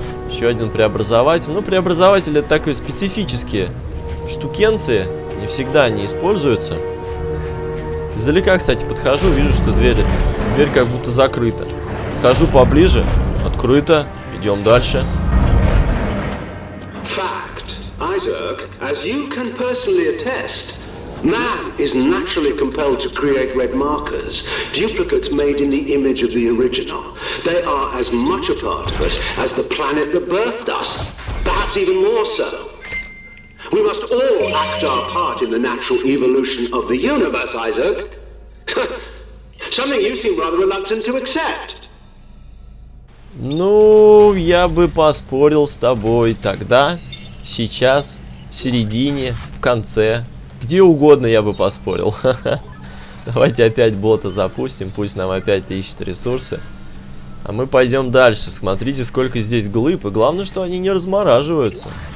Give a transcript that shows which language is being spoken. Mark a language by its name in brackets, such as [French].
[Russian] Еще один преобразователь. Ну, преобразователи — это такие специфические штукенции. Не всегда они используются. Издалека, кстати, подхожу, вижу, что дверь как будто закрыта. Подхожу поближе, открыто, идем дальше. [English] Fact, Isaac, as you can personally attest, man is naturally compelled to create red markers, duplicates made in the image of the original. They are as much a part of us as the planet that birthed us, perhaps even more so. We must all act our part in the natural evolution of the universe, Isaac. Something you seem rather reluctant to accept. [Russian] Ну, я бы поспорил с тобой тогда, сейчас, в середине, в конце. Где угодно я бы поспорил. Давайте опять бота запустим, пусть нам опять ищет ресурсы. А мы пойдем дальше. Смотрите, сколько здесь глыб, и главное, что они не размораживаются.